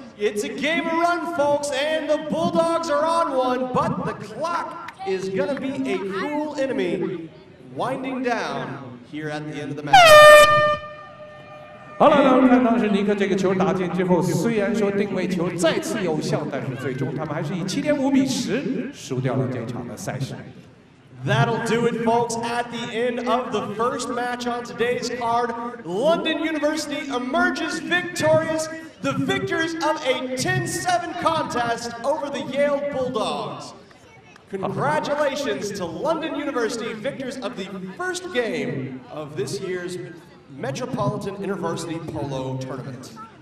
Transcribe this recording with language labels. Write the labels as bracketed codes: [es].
[en] It's a game of run, folks, and the Bulldogs are on one, but the clock is going to be a cruel enemy winding down here at the end of the match. [zh] 好了，那我们看到是尼克这个球打进之后，虽然说定位球再次有效，但是最终他们还是以7.5比10输掉了这场的赛事。 [en] That'll do it, folks, at the end of the first match on today's card. London University emerges victorious, the victors of a 10-7 contest over the Yale Bulldogs. Congratulations to London University, victors of the first game of this year's Metropolitan Intervarsity Polo Tournament.